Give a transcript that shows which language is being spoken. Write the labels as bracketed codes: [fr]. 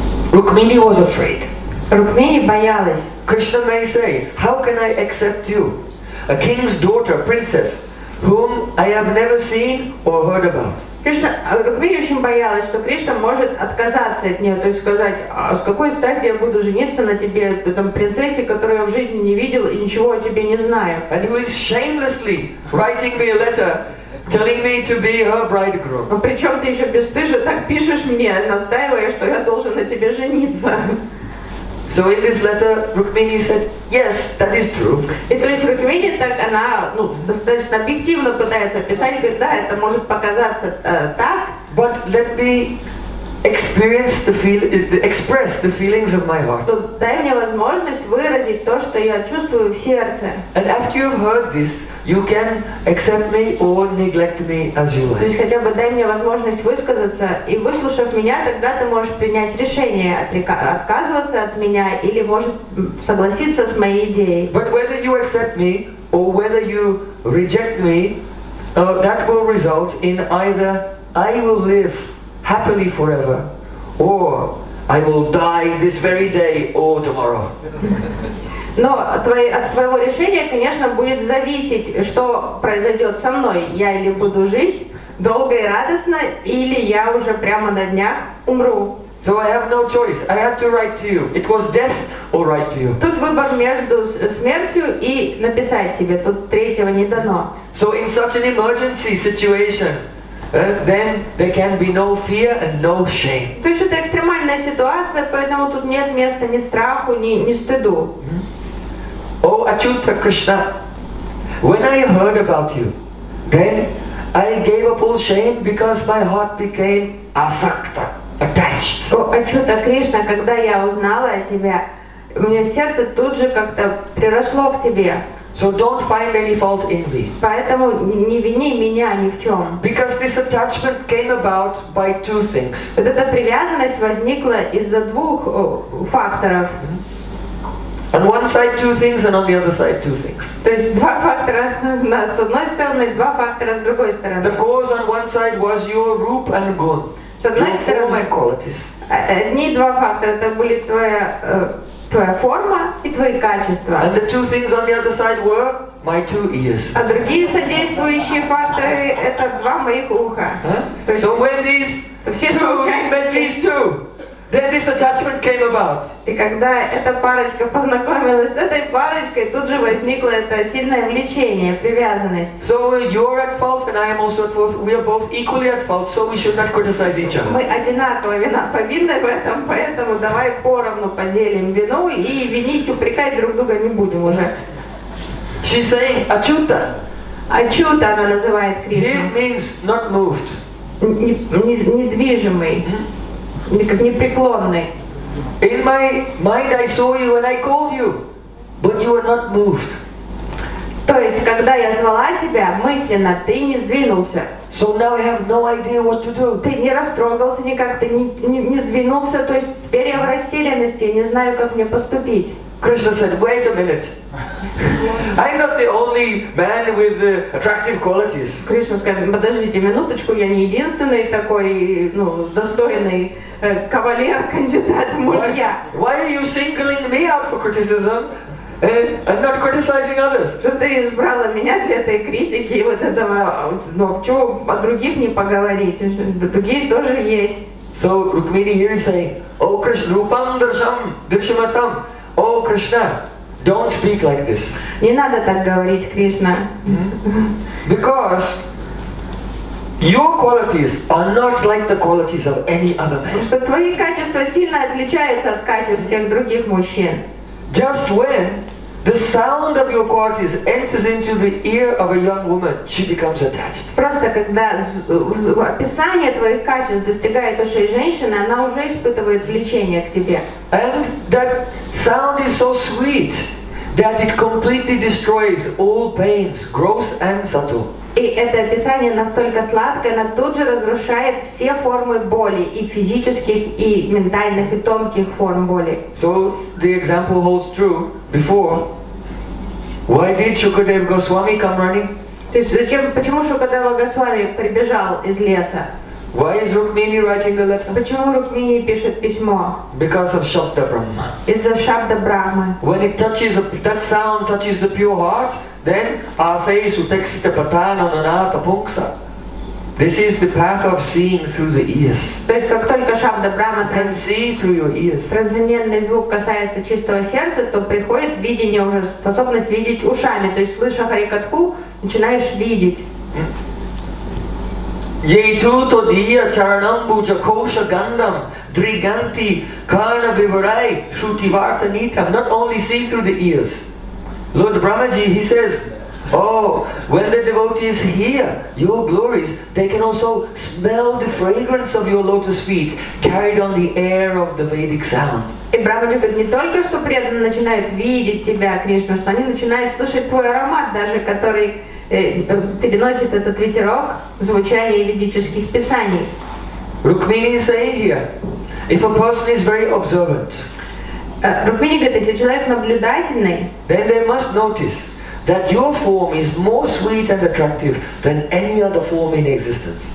[en] Rukmini was afraid. [ru] Rukmini боялась. [en] Krishna may say, how can I accept you, a king's daughter, princess, whom I have never seen or heard about? [ru] Рукмини очень боялась, что Кришна может отказаться от нее, то есть сказать, а с какой стати я буду жениться на тебе, там, принцессе, которую я в жизни не видел и ничего о тебе не знаю. [en] And who is shamelessly writing me a letter, telling me to be her bridegroom. [ru] А причем ты еще бесстыже так пишешь мне, настаивая, что я должен на тебе жениться. [en] So in this letter, Rukmini said, yes, that is true. [ru] И то есть Рукмини так, она, ну, достаточно объективно пытается описать, говорит, да, это может показаться так. [en] But let me experience express the feelings of my heart. [ru] Дай мне возможность выразить то, что я чувствую в сердце. [en] And after you've heard this, you can accept me or neglect me as you like. [ru] То есть хотя бы дай мне возможность высказаться, и выслушав меня, тогда ты можешь принять решение отказываться от меня или может согласиться с моей идеей. [en] But whether you accept me or whether you reject me, that will result in either I will live happily forever, or I will die this very day or tomorrow. [ru] Но от твоего решения, конечно, будет зависеть, что произойдет со мной. Я или буду жить долго и радостно, или я уже прямо на днях умру. [en] So I have no choice. I have to write to you. It was death or write to you. [ru] Тут выбор между смертью и написать тебе. Тут третьего не дано. [en] So in such an emergency situation, then there can be no fear and no shame. [ru] То есть это экстремальная ситуация, поэтому тут нет места ни страху, ни стыду. [en] О, Ачюта Кришна, when I heard about you, then I gave up all shame because my heart became asakta, attached. [ru] О, Ачюта Кришна, когда я узнала о тебе, у меня сердце тут же как-то приросло к тебе. [en] So don't find any fault in me. [ru] Поэтому не вини меня ни в чем. [en] Because this attachment came about by two things. [ru] Вот эта привязанность возникла из-за двух факторов. [en] On one side two things, and on the other side two things. [ru] То есть два фактора с одной стороны, два фактора с другой стороны. [en] The cause on one side was your rupa and gun. [ru] С одной стороны. Одни два фактора, это были твоя форма и твои качества. [en] And the two things on the other side were my two ears. [ru] А другие содействующие факторы это два моих уха. [en] So when these two met these two, then this attachment came about. [ru] И когда эта парочка познакомилась с этой парочкой, тут же возникло это сильное влечение, привязанность. [en] So you're at fault and I am also at fault. We are both equally at fault, so we should not criticize each other. [ru] Мы одинаково повинны в этом, поэтому давай поровну поделим вину и винить, упрекать друг друга не будем уже. [en] She's saying, Ачюта. [ru] Ачюта она называет Кришну. [en] It means not moved. [ru] Недвижимый. Как непреклонный. [en] In my mind I saw you and I called you, but you were not moved. [ru] То есть, когда я звала тебя, мысленно ты не сдвинулся. [en] So now I have no idea what to do. [ru] Ты не растрогался никак, ты не сдвинулся, то есть теперь я в растерянности, я не знаю, как мне поступить. [en] Krishna said, wait a minute. I'm not the only man with attractive qualities. [ru] Кришна сказал, подождите минуточку, я не единственный такой, ну, достойный кавалер, кандидат, мужья. [en] Why are you singling me out for criticism and not criticizing others? [ru] Что ты избрала меня для этой критики и вот этого, ну, чего о других не поговорить? Другие тоже есть. [en] So Rukmini here is saying, O Krishna, [sa] Rupam Darsham Drishamatam, [en] O Krishna, don't speak like this. [ru] Не надо так говорить, Кришна. [en] Because your qualities are not like the qualities of any other man. [ru] Потому что твои качества сильно отличаются от качеств всех других мужчин. [en] Just when the sound of your qualities enters into the ear of a young woman, she becomes attached. [ru] Просто когда описание твоих качеств достигает ушей женщины, она уже испытывает влечение к тебе. [en] And that sound is so sweet that it completely destroys all pains, gross and subtle. [ru] И это описание настолько сладкое, оно тут же разрушает все формы боли, и физических, и ментальных, и тонких форм боли. [en] So the example holds true before. Why did Shukadeva Goswami come running? [ru] То есть зачем, почему Шукадева Госвами прибежал из леса? [en] Why is Rukmini writing a letter? [ru] Почему Рукмини пишет письмо? [en] Because of Shabda Brahma. [ru] Из-за Шабда Брахмы. [en] When it touches that sound touches the pure heart, then [sa] asesu teksita patana nanata punksa. [en] This is the path of seeing through the ears. [ru] То есть как только Шабда Брахма [en] can see through your ears. [ru] Трансцендентный звук касается чистого сердца, то приходит видение уже, способность видеть ушами, то есть слыша харикатху, начинаешь видеть. [sa] Jetu todiya charanam buja kosha gandam driganti karna vivarai shruti vartanitam. [en] Not only see through the ears. Lord Brahmaji, he says, oh, when the devotees hear your glories, they can also smell the fragrance of your lotus feet carried on the air of the Vedic sound. [ru] И Брахмаджи говорит, не только что преданные начинают видеть тебя, Кришна, что они начинают слышать твой аромат даже, который переносит этот ветерок в звучание ведических писаний. [en] Rukmini is saying here, if a person is very observant, [ru] Rukmini говорит, если человек наблюдательный, [en] then they must notice that your form is more sweet and attractive than any other form in existence.